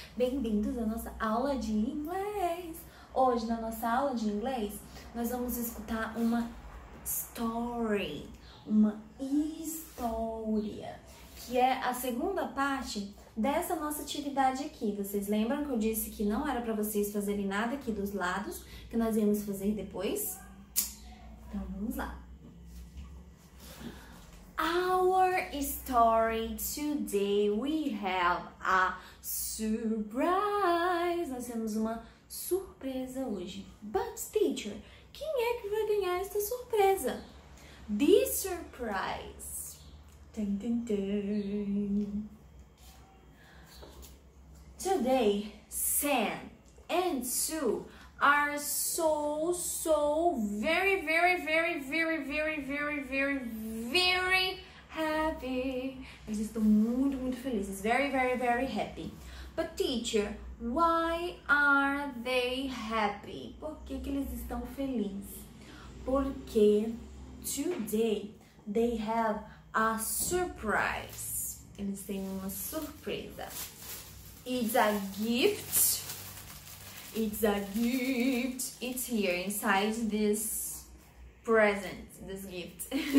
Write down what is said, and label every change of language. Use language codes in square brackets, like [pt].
[pt] Bem-vindos à nossa aula de inglês. Hoje, na nossa aula de inglês, nós vamos escutar uma story, uma história, que é a segunda parte dessa nossa atividade aqui. Vocês lembram que eu disse que não era para vocês fazerem nada aqui dos lados, que nós íamos fazer depois? Então, vamos lá. [en] Our story today, we have a surprise. [pt] Nós temos uma surpresa hoje. [en] But teacher, [pt] quem é que vai ganhar esta surpresa? [en] The surprise. Dun, dun, dun. Today, Sam and Sue are so very, very, very, very, very, very, very, very happy. [pt] Eles estão muito, muito felizes. [en] Very, very, very happy. But teacher, why are they happy? [pt] Por que que eles estão felizes? Porque [en] today they have a surprise. [pt] Eles têm uma surpresa. [en] It's a gift. It's a gift. It's here inside this present, this gift.